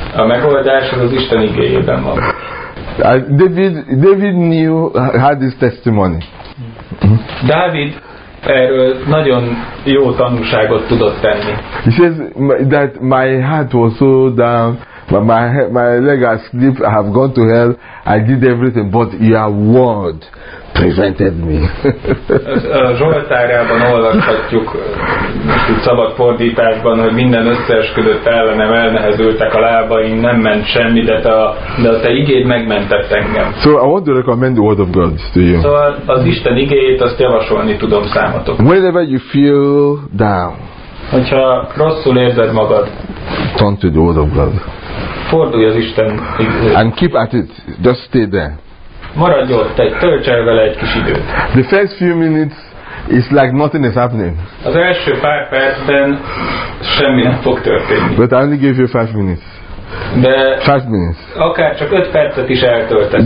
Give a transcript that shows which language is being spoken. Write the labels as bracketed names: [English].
[Hungarian] A megoldás az Isten igéjében van. [English] David knew, had this testimony. [Hungarian] David erről nagyon jó tanúságot tudott tenni. [English] He says that my heart was so down, my leg has slipped, I have gone to hell, I did everything, but your word prevented me. [Hungarian] A Zsoltárában olvashatjuk, szabad fordításban, hogy minden összeesküdött ellenem, elnehezültek a lábaim, nem ment semmi, de a te igéd megmentett engem. [English] So I want to recommend the word of God to you. [Hungarian] Szóval az Isten igéjét azt javasolni tudom számatok. [English] Whenever you feel down, [Hungarian] hogyha rosszul érzed magad, [English] turn to the word of God. [Hungarian] Fordulj az Isten igéjét. [English] And keep at it, just stay there. [Hungarian] Maradj ott, tölts el vele egy kis időt. [English] The first few minutes is like nothing is happening. [Hungarian] Az első pár percben semmi nem fog történni. [English] But I only gave you 5 minutes. [Hungarian] De [English] 5 minutes. [Hungarian] Akár csak 5 percet is eltöltesz.